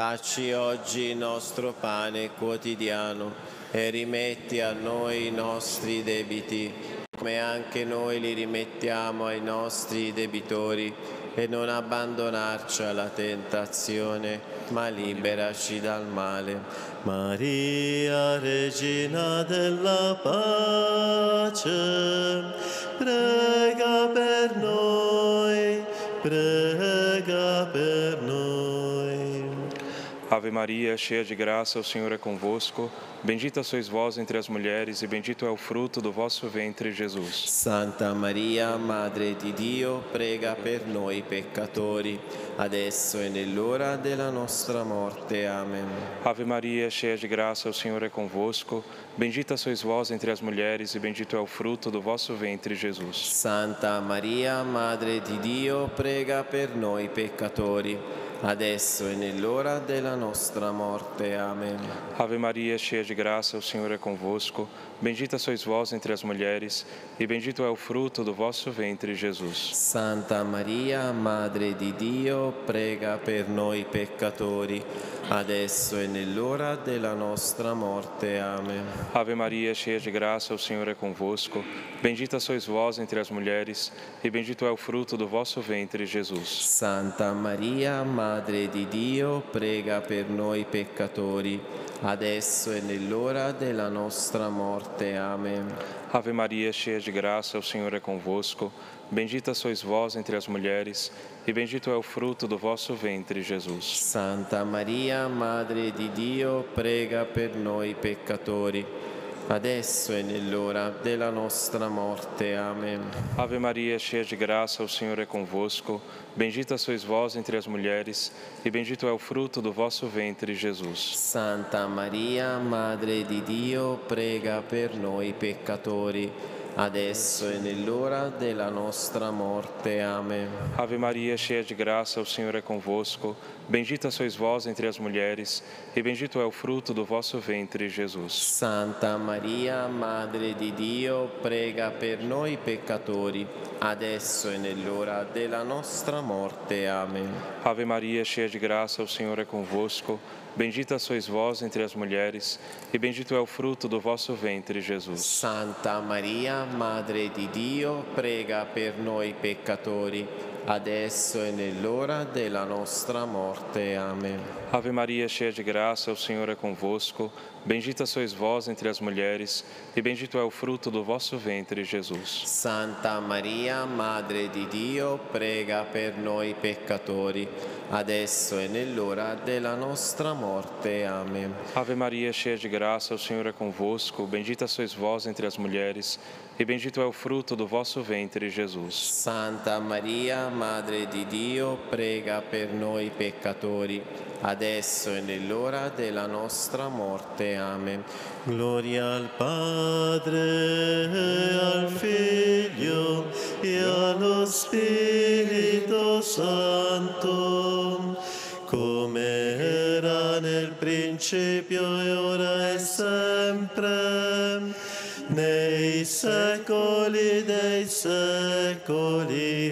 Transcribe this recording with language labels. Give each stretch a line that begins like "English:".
Italian: Dacci oggi il nostro pane quotidiano e rimetti a noi i nostri debiti, come anche noi li rimettiamo ai nostri debitori, e non abbandonarci alla tentazione, ma liberaci dal male. Maria, Regina della pace, prega per noi, prega per noi.
Portuguese: Ave Maria, cheia de graça, o Senhor é convosco. Bendita sois vós entre as mulheres, e bendito é o fruto do vosso ventre, Jesus.
Italian: Santa Maria, Madre di Dio, prega per noi peccatori, adesso e nell'ora della nostra morte. Amen.
Portuguese: Ave Maria, cheia de graça, o Senhor é convosco. Bendita sois vós entre as mulheres, e bendito é o fruto do vosso ventre, Jesus.
Italian: Santa Maria, Madre di Dio, prega per noi peccatori, adesso e nell'ora della nostra morte. Amen.
Portuguese: Ave Maria, cheia de graça, o Senhor é convosco. Bendita sois vós entre as mulheres, e bendito é o fruto do vosso ventre, Jesus.
Italian: Santa Maria, Madre di Dio, prega per noi peccatori, adesso e nell'ora della nostra morte. Amen.
Portuguese: Ave Maria, cheia de graça, o Senhor é convosco. Bendita sois vós entre as mulheres, e bendito é o fruto do vosso ventre, Jesus.
Italian: Santa Maria, Madre di Dio, prega per noi peccatori, adesso e nell'ora della nostra morte. Amen.
Portuguese: Ave Maria, cheia de graça, o Senhor é convosco. Bendita sois vós entre as mulheres, e bendito é o fruto do vosso ventre, Jesus.
Italian: Santa Maria, Madre di Dio, prega per noi peccatori, adesso e nell'ora della nostra morte. Amen.
Portuguese: Ave Maria, cheia de graça, o Senhor é convosco. Bendita sois vós entre as mulheres, e bendito é o fruto do vosso ventre, Jesus.
Italian: Santa Maria, Madre di Dio, prega per noi peccatori, adesso e nell'ora della nostra morte. Amen.
Portuguese: Ave Maria, cheia de graça, o Senhor é convosco. Bendita sois vós entre as mulheres, e bendito é o fruto do vosso ventre, Jesus.
Italian: Santa Maria, Madre di Dio, prega per noi peccatori, adesso e nell'ora della nostra morte. Amen.
Portuguese: Ave Maria, cheia de graça, o Senhor é convosco. Bendita sois vós entre as mulheres, e bendito é o fruto do vosso ventre, Jesus.
Italian: Santa Maria, Madre di Dio, prega per noi peccatori, adesso e nell'ora della nostra morte. Amen.
Portuguese: Ave Maria, cheia de graça, o Senhor é convosco. Bendita sois vós entre as mulheres, e bendito é o fruto do vosso ventre, Jesus.
Italian: Santa Maria, Madre di Dio, prega per noi peccatori, adesso e nell'ora della nostra morte. Amen.
Portuguese: Ave Maria, cheia de graça, o Senhor é convosco. Bendita sois vós entre as mulheres, e bendito é o fruto do vosso ventre, Jesus.
Italian: Santa Maria, Madre di Dio, prega per noi peccatori, adesso e nell'ora della nostra morte. Amen. Gloria al Padre, al Figlio e allo Spirito Santo, come era nel principio e ora è sempre, nei secoli dei secoli.